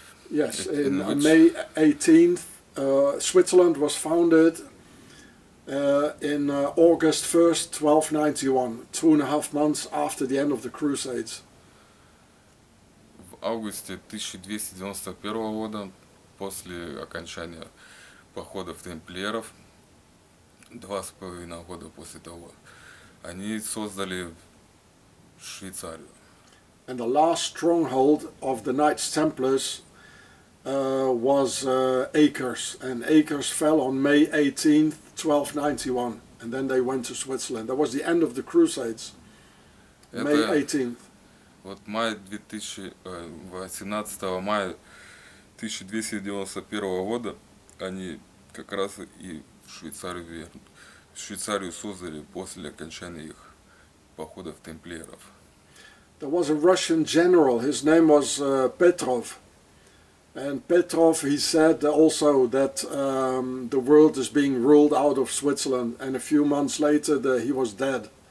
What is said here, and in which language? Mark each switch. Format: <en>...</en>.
<en>Yes, in May 18th, Switzerland was founded in August 1st, 1291, 2.5 months after the end of the Crusades.</en> <ru>В августе 1291 года, после окончания походов темплиеров, 2.5 года после того, они создали Швейцарию.</ru> <en>And the last stronghold of the Knights Templars was Acres, and Acres fell on May 18th, 1291, and then they went to Switzerland. That was the end of the Crusades. May 18th.</en> <ru>Вот мая 18 мая 1291 года они как раз и в Швейцарию вернулись. Швейцарию создали после окончания их походов темплиеров.</ru> <en>There was a Russian general, his name was Petrov. And Petrov, he said also that the world is being ruled out of Switzerland. And a few months later, he was dead.</en>